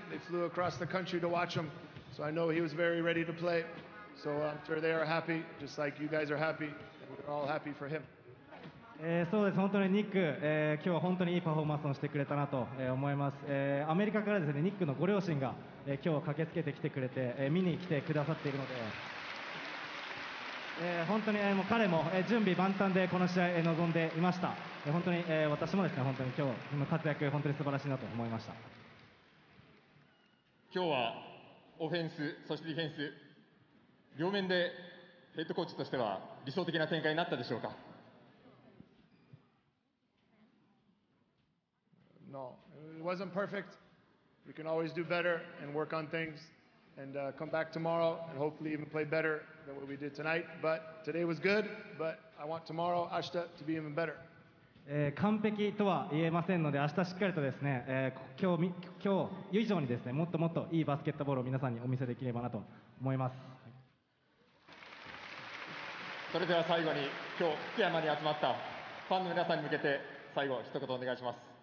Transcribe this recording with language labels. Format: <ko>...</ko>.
<en>They flew across the country to watch him. So I know he was very ready to play. So I'm sure they are happy, just like you guys are happy. And we're all happy for him.</en> <ja>そうです。本当にニック、今日は本当にいいパフォーマンスをしてくれたなと思います。アメリカからですね、ニックのご両親が今日駆けつけてきてくれて、見に来てくださっているので。本当に彼も準備万端でこの試合に臨んでいました。本当に私もですね、本当に今日の活躍本当に素晴らしいなと思いました。今日はオフェンスそしてディフェンス両面でヘッドコーチとしては理想的な展開になったでしょうか。</ja> <en>No, it wasn't perfect. We can always do better and work on things. And come back tomorrow and hopefully even play better than what we did tonight. But today was good, but I want tomorrow, Ashita, to be even better.</en> <ja>完璧とは言えませんので、明日しっかりとですね、今日以上にですね、もっともっといいバスケットボールを皆さんにお見せできればなと思います。それでは最後に、今日福山に集まったファンの皆さんに向けて、最後一言お願いします。</ja>